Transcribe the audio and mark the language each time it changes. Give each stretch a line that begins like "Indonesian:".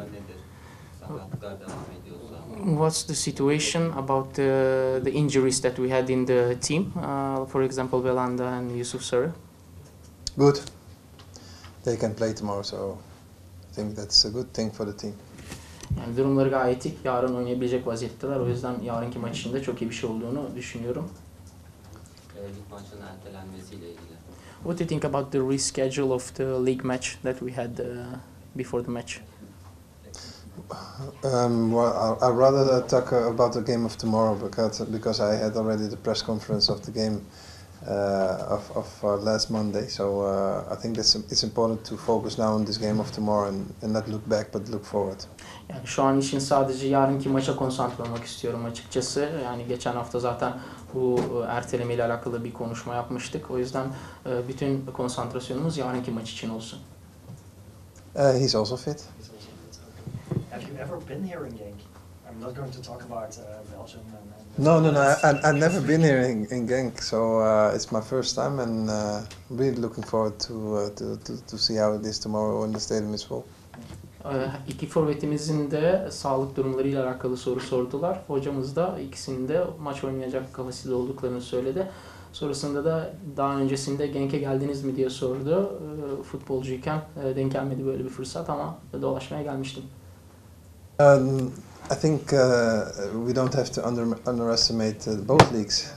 English: What's the situation about the injuries that we had in the team? For example, Belhanda and Yusuf Sarı. Good. They can play tomorrow, so I think that's a good thing for the team.
Turkish: Yani durumları gayet iyi. Yarın oynayabilecek vaziyetteler. O yüzden yarınki maç için de çok iyi bir şey olduğunu düşünüyorum. Maçın ertelenmesiyle ilgili.
English: What do you think about the reschedule of the league match that we had before the match? Well, I'd rather talk about the game of tomorrow because I had already the press conference of the game of last Monday. So I think it's important to focus now on this game of tomorrow and not look back but look forward.
Turkish: Yani şu an için sadece yarınki maça konsantre olmak istiyorum açıkçası. Yani geçen hafta zaten bu erteleme ile alakalı bir konuşma yapmıştık. O yüzden bütün konsantrasyonumuz yarınki maç için olsun.
English: He's also fit. Have you ever been here in Genk? I'm not going to talk about Belgium. No, I've never been here in Genk, so it's my first time, and really looking forward to see how it is tomorrow when the stadium is full.
Turkish: İki forvetimizin de sağlık durumlarıyla alakalı soru sordular. Hocamız da ikisinin de maç oynayacak kapasitede olduklarını söyledi. Sonrasında da daha öncesinde Genk'e geldiniz mi diye sordu. Futbolcuyken denk gelmedi böyle bir fırsat ama dolaşmaya gelmiştim.
English: I think we don't have to underestimate both leagues.